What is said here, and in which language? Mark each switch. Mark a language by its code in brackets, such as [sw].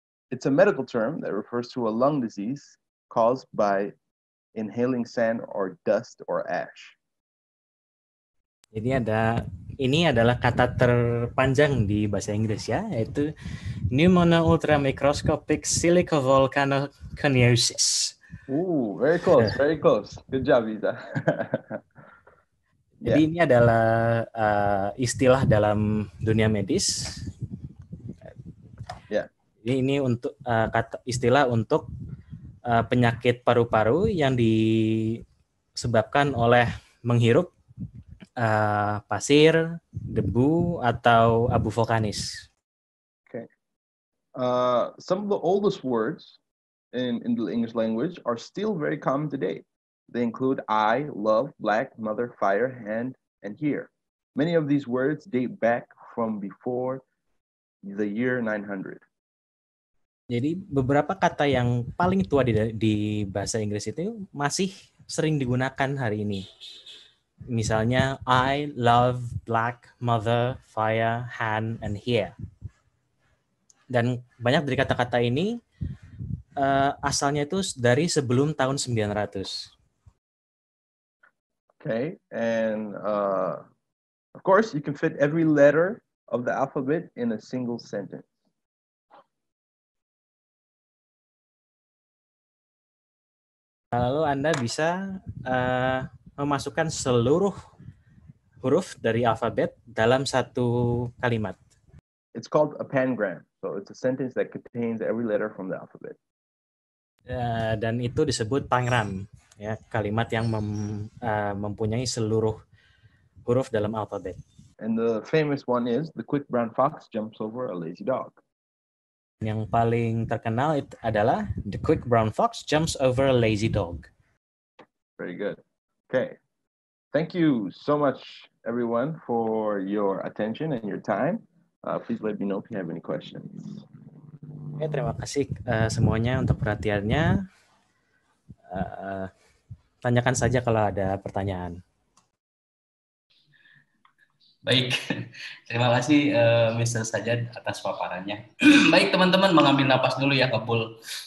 [en] It's a medical term that refers to a lung disease caused by inhaling sand or dust or ash. [id] Jadi ini adalah kata terpanjang di bahasa Inggris ya, yaitu pneumono ultra microscopic silicovolcanoconiosis. [en] Ooh, very close, very close. Good job, Isa. [id] Jadi yeah. Ini adalah istilah dalam dunia medis. Yeah. Jadi ini untuk istilah untuk penyakit paru-paru yang disebabkan oleh menghirup pasir, debu, atau abu vulkanis. [en] Okay. Some of the oldest words in the English language are still very common today. They include I, love, black, mother, fire, hand, and here. Many of these words date back from before the year 900. [id] Jadi beberapa kata yang paling tua di bahasa Inggris itu masih sering digunakan hari ini. Misalnya, [en] I love black, mother, fire, hand, and hair. [id] Dan banyak dari kata-kata ini asalnya itu dari sebelum tahun 900. [en] Okay, and of course you can fit every letter of the alphabet in a single sentence. [id] Lalu Anda bisa memasukkan seluruh huruf dari alfabet dalam satu kalimat. [en] It's called a pangram. So it's a sentence that contains every letter from the alphabet. [id] Dan itu disebut pangram, ya, kalimat yang mempunyai seluruh huruf dalam alfabet. [en] And the famous one is the quick brown fox jumps over a lazy dog. [id] Yang paling terkenal itu adalah [en] the quick brown fox jumps over a lazy dog. Very good. Okay. Thank you so much, everyone, for your attention and your time. Please let me know if you have any questions. [id] Okay, terima kasih semuanya untuk perhatiannya. Tanyakan saja kalau ada pertanyaan. Baik, terima kasih Mr. Sajjad atas paparannya. Baik teman-teman, mengambil napas dulu ya, kepul.